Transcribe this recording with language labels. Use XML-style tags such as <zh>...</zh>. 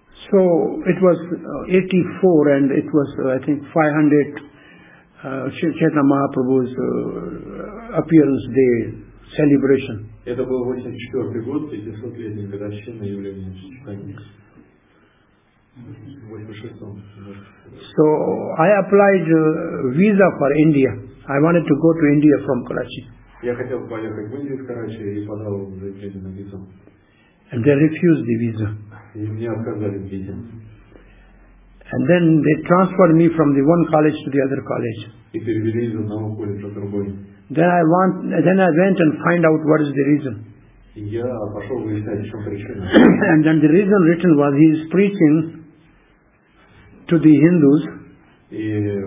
<en>So it was 84, and it was I think 500 Chaitanya Mahaprabhu's appearance day celebration.</en> <ru>Это был 84-й год, 500-летний годовщина явления Чайтаньи.</ru> <en>So I applied visa for India. I wanted to go to India from Karachi.</en> <ru>Я хотел поехать в Индию из Карачи и подал заявление на визу.</ru> <en>And they refused the visa.</en> <ru>И мне отказали в визе.</ru> <en>And then they transferred me from the one college to the other college.</en> <ru>И перевели из одного колледжа в другой.</ru> <en>Then I went and find out what is the reason. And then the reason written was he is preaching to the Hindus.</en>